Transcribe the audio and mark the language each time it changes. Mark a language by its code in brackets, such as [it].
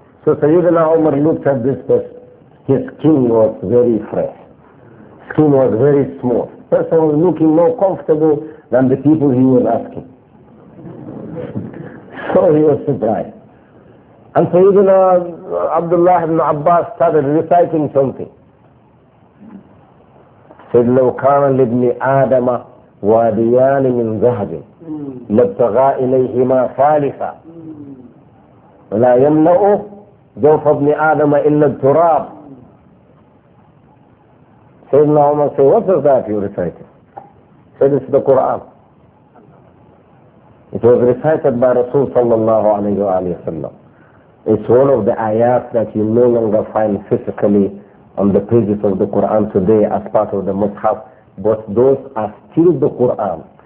[en] So Sayyidina Umar looked at this person. His skin was very fresh. Skin was very smooth. Person was looking more comfortable than the people he was asking. So he was surprised. And Sayyidina Abdullah ibn Abbas started reciting something. Said, [ar] لو كان لابن آدم واديان من ذهب لابتغى إليهما ثالثا ولا يمنع جوف ابن آدم إلا التراب. [en] Sayyidina Umar said, what is that you recited? Said, it's the Quran. It was recited by Rasul sallallahu alayhi wa sallam. It's one of the ayat that you no longer find physically on the pages of the Quran today as part of the Mus'haf, but those are still the Quran.